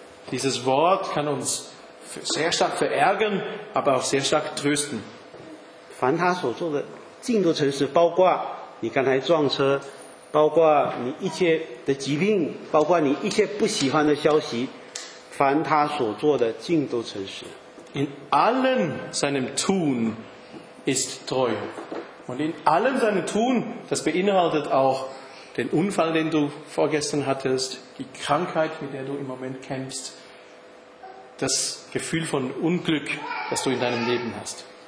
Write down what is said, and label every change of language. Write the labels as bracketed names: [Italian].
[German] dieses Wort kann uns sehr stark verärgern, aber auch sehr stark trösten. [Chinese] 凡他所做的尽都诚实, 包括你刚才撞车, 包括你一切的疾病, 包括你一切不喜欢的消息, 凡他所做的尽都诚实。 [German] In allen seinem Tun ist treu. Und in allem seinem Tun, das beinhaltet auch den Unfall, den du vorgestern hattest, die Krankheit, mit der du im Moment kämpfst, das Gefühl von Unglück, das du in deinem Leben hast.